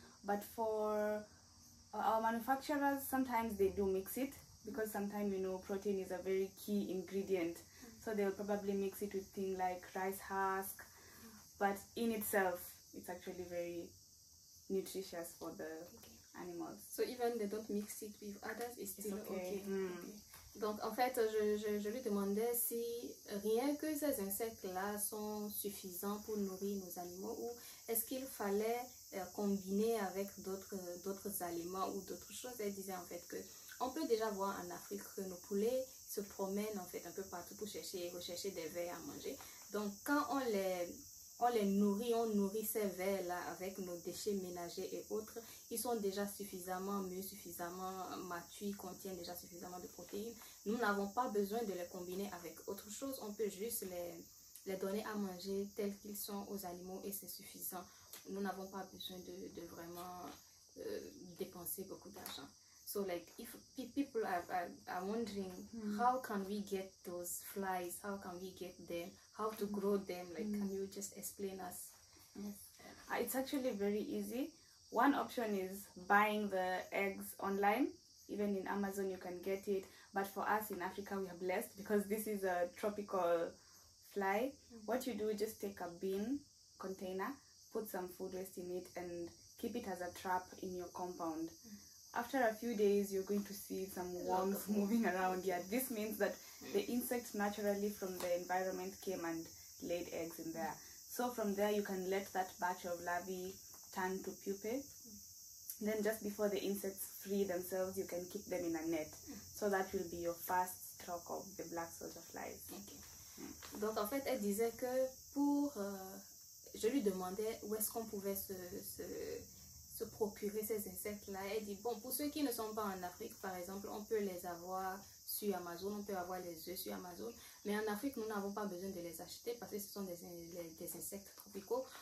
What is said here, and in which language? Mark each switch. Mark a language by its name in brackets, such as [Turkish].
[English] But for our manufacturers, sometimes they do mix it, because sometimes, you know, protein is a very key ingredient. So they'll probably mix it with things like rice husk. But in itself, it's actually very nutritious for the animals. So even they don't mix it with others, it's still okay. [French] Donc en fait, je lui demandais si rien que ces insectes-là sont suffisants pour nourrir nos animaux, ou est-ce qu'il fallait combiner avec d'autres aliments ou d'autres choses. Elle disait en fait que on peut déjà voir en Afrique que nos poulets se promènent en fait un peu partout pour rechercher des vers à manger. Donc quand on les nourrit, on nourrit ces vers-là avec nos déchets ménagers et autres, ils sont déjà suffisamment mûrs, suffisamment matures, ils contiennent déjà suffisamment de protéines. Nous n'avons pas besoin de les combiner avec autre chose, on peut juste les donner à manger tels qu'ils sont aux animaux et c'est suffisant. Nous n'avons pas besoin de vraiment dépenser beaucoup d'argent. [English] So like, if people are wondering, how can we get those flies, how can we get them, how to grow them, like, can you just explain us? Yes. It's actually very easy. One option is buying the eggs online. Even in Amazon you can get it. But for us in Africa, we are blessed because this is a tropical fly. What you do, just take a bin container, put some food waste in it and keep it as a trap in your compound. After a few days, you're going to see some worms moving around. Yeah, this means that the insects naturally from the environment came and laid eggs in there. So from there, you can let that batch of larvae turn to pupae. Then just before the insects free themselves, you can keep them in a net. So that will be your first stroke of the black soldier flies. [French] Okay. Donc en fait, elle disait que pour... je lui demandais où est-ce qu'on pouvait se procurer ces insectes-là. Elle dit, bon, pour ceux qui ne sont pas en Afrique, par exemple, on peut les avoir sur Amazon, on peut avoir les œufs sur Amazon, mais en Afrique, nous n'avons pas besoin de les acheter parce que ce sont des insectes tropicaux.